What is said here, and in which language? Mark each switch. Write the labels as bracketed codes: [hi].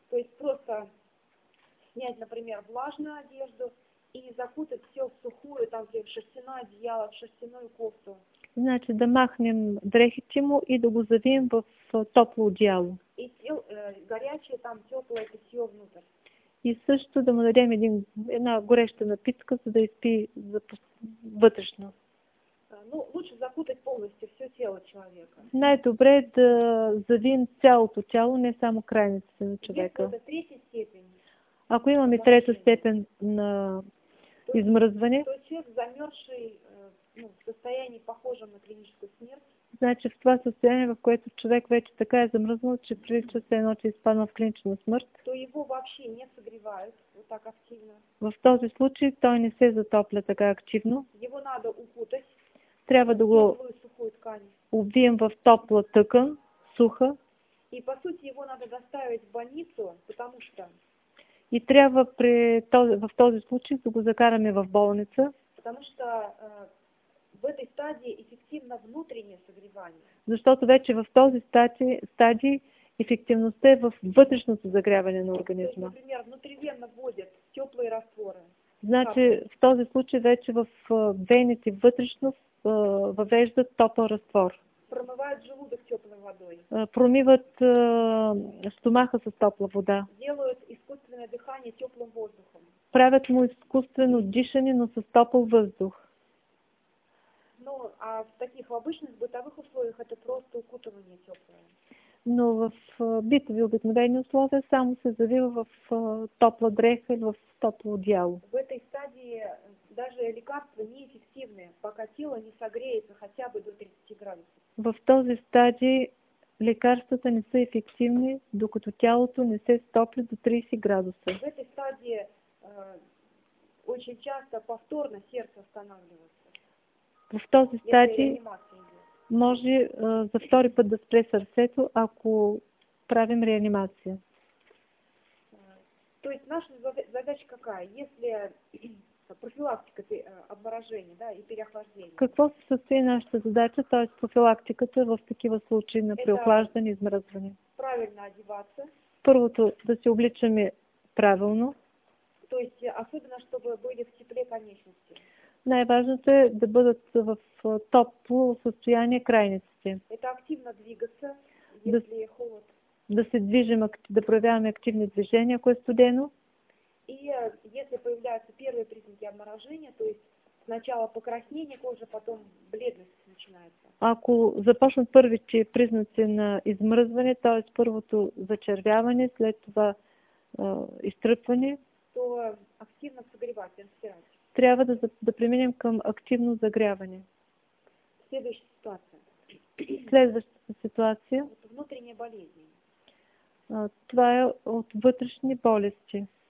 [ru] То есть просто снять, например, влажную одежду и закутать все в сухую, там где шерстяное одеяло, в шерстяную кофту. [bg] Значи да махнем дрехите му и да го завием в топло одеяло. [ru] И горячее там теплое питье внутрь. [bg] И също да му дадем една гореща напитка, за да изпи вътрешно. [ru] Ну, лучше закутать полностью все тело человека. [bg] Най-добре е да завием цялото тяло, не само крайниците на човека. [ru] Если это третья степень. [bg] Ако имаме трета степен на измръзване, [ru] то человек замерзший в состоянии, похожем на клиническую смерть. [bg] Значи в това състояние, в което човек вече така е замръзнал, че прилича се едно, че е изпаднал в клинична смърт, [ru] то его вообще не согревают вот так активно. [bg] В този случай той не се затопля така активно. [ru] Его надо укутать. [bg] Трябва да го обвием в топла тъкан, суха. [ru] И по сути его надо доставить в больницу, потому что... [bg] И трябва при този, в този случай да го закараме в болница. [ru] Потому что в этой стадии эффективно внутреннее согревание. [bg] Защото вече в този стадии ефективността е във вътрешното загряване на организма. [ru] То есть, например, внутривенно вводят теплые растворы. [bg] Значи в този случай вече в вените вътрешно въвеждат топъл разтвор. [ru] Промывают желудок теплой водой. [bg] Промиват стомаха с топла вода. [ru] Делают искусственное дыхание теплым воздухом. [bg] Правят му изкуствено дишане, но с топъл въздух. [ru] Ну, а в таких обычных бытовых условиях это просто укутывание теплое. [bg] Но в битови обикновени условия само се завива в топла дреха или в топло одеяло. [ru] В этой стадии даже лекарства неэффективны, пока тело не согреется хотя бы до 30 градусов. [bg] В този стадии лекарствата не са ефективни, докато тялото не се стопли до 30 градуса. [ru] В этой стадии очень часто повторно сердце останавливается. [bg] В този стадии може за втори път да спре сърцето, ако правим реанимация. [ru] То есть наша задача какая? Если профилактика обморожения, да, и переохлаждения. [bg] Какво се състои нашата задача, т.е. профилактиката в такива случаи на преохлаждане и измръзване? [ru] Правильно одеваться. [bg] Първото, да се обличаме правилно. [ru] То есть особено, чтобы были в тепле конечности. [bg] Най-важното е да бъдат в топло състояние крайниците. [ru] Это активно двигаться, если холод. [bg] Да се движим, да проявяваме активни движения, ако е студено. [ru] И если появляются первые признаки обморожения, то есть сначала покраснение кожи, потом бледность начинается. [bg] Ако започнат първите признаци на измръзване, т.е. първото зачервяване, след това изтръпване, [ru] то активно согревать, инспирать. [bg] Трябва да преминем към активно загряване. Следваща ситуация. Следващата ситуация. [ru] От внутренние болезни. [bg] Това е от вътрешни болести.